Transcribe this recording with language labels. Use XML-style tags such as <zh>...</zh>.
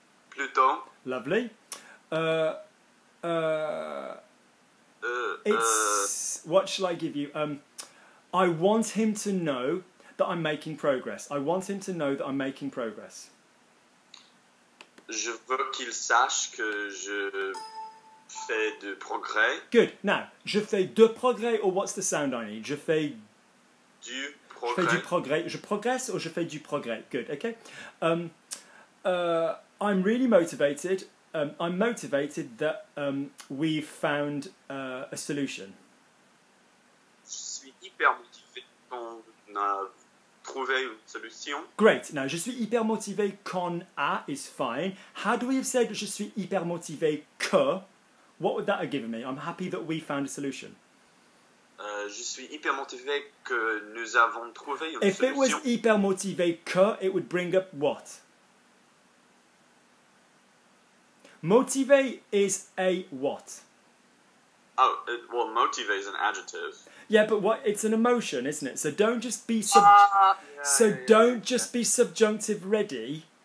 <fr>Plutôt.</fr> <en>Lovely. What shall I give you? I want him to know that I'm making progress. I want him to know that I'm making progress.</en> <fr>Je veux qu'il sache que je fais de progrès.</fr> <en>Good. Now,</en> <fr>je fais de progrès,</fr> <en>or what's the sound I need?</en> <fr>Je fais du progrès. Je fais du progrès. Je progresse, or je fais du progrès.</fr> <en>Good. Okay. I'm really motivated. I'm motivated that we've found a solution.</en> <fr>Je suis hyper motivé qu'on a trouvé une solution.</fr> <en>Great. Now,</en> <fr>je suis hyper motivé qu'on a</fr> <en>is fine. Had we have said</en> <fr>je suis hyper motivé que,</fr> <en>what would that have given me? I'm happy that we found a solution.</en> <fr>Je suis hyper motivé que nous avons trouvé une solution.</fr> <en>If it was</en> <fr>hyper motivé que,</fr> <en>it would bring up what? Motivé is a what? Motivé is an adjective. Yeah, but what? It's an emotion, isn't it? So don't just be be subjunctive ready.</en>